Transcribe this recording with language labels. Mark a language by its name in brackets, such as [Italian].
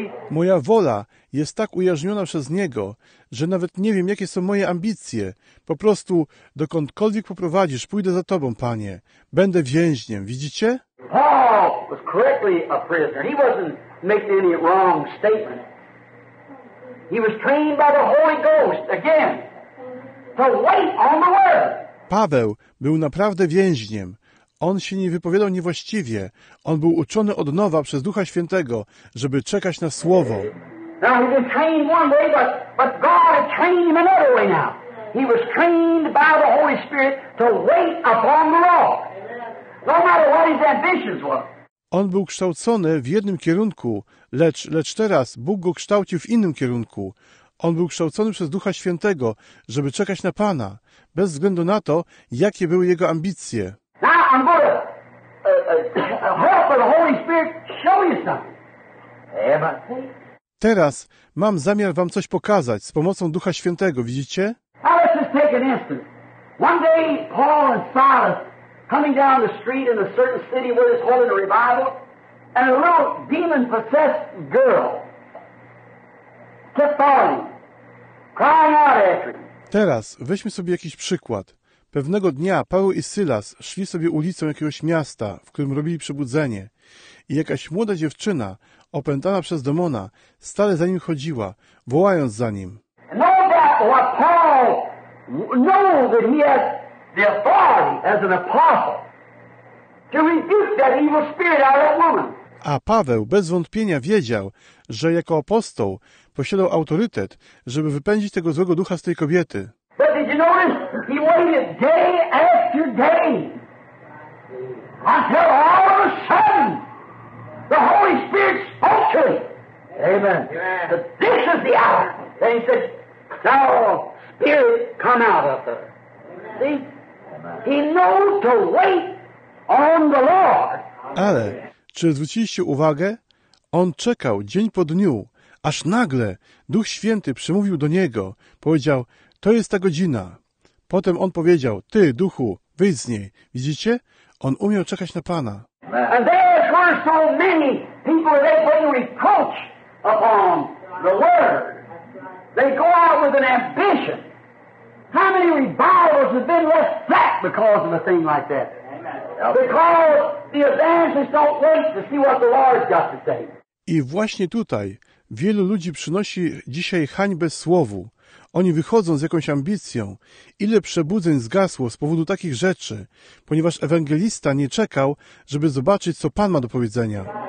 [Polish] Moja wola jest tak ujarzmiona przez Niego, że nawet nie wiem, jakie są moje ambicje. Po prostu dokądkolwiek poprowadzisz, pójdę za Tobą, Panie. Będę więźniem, widzicie? [English] Paul was correctly a prisoner. He wasn't making any wrong statement. He was trained by the Holy Ghost, again, to wait on the word. [Polish] Paweł był naprawdę więźniem. On się nie wypowiadał niewłaściwie. On był uczony od nowa przez Ducha Świętego, żeby czekać na Słowo. [English] Now he was trained one way, but God had trained him another way now. He was trained by the Holy Spirit to wait upon the law. No matter what his ambitions were. [Polish] On był kształcony w jednym kierunku, lecz teraz Bóg go kształcił w innym kierunku. On był kształcony przez Ducha Świętego, żeby czekać na Pana, bez względu na to, jakie były jego ambicje. [English] Now I'm going to help the Holy Spirit show you something. [Polish] Teraz mam zamiar wam coś pokazać z pomocą Ducha Świętego, widzicie? [English] Now let's just take an instant. One day Paul and Silas coming down the street in a certain city where they're holding a revival, and a little demon-possessed girl kept falling, crying out after him. [Polish] Teraz weźmy sobie jakiś przykład. Pewnego dnia Paweł i Sylas szli sobie ulicą jakiegoś miasta, w którym robili przebudzenie, i jakaś młoda dziewczyna, opętana przez demona, stale za nim chodziła, wołając za nim. [English] And all that what Paul knew that he had the authority as an apostle to rebuke that evil spirit out of that woman. [Polish] A Paweł bez wątpienia wiedział, że jako apostoł posiadał autorytet, żeby wypędzić tego złego ducha z tej kobiety. [English] But did you notice? He waited day after day until all of a sudden the Holy Spirit spoke to him. Amen. But this is the hour. Then he said, "Thou Spirit, come out of her." See? Amen. He knows to wait on the Lord. [Polish] Ale, czy zwróciliście uwagę? On czekał dzień po dniu, aż nagle Duch Święty przemówił do niego. Powiedział, to jest ta godzina. Potem on powiedział, ty, Duchu, wyjdź z niej. Widzicie? On umiał czekać na Pana. [English] And there were so many people they bring reproach upon the word. They go out with an ambition. How many revivals have been left flat because of a thing like that? Because the evangelists don't wait to see what the Lord's got to say. [Polish] I właśnie tutaj wielu ludzi przynosi dzisiaj hańbę słowu. Oni wychodzą z jakąś ambicją. Ile przebudzeń zgasło z powodu takich rzeczy, ponieważ ewangelista nie czekał, żeby zobaczyć, co Pan ma do powiedzenia.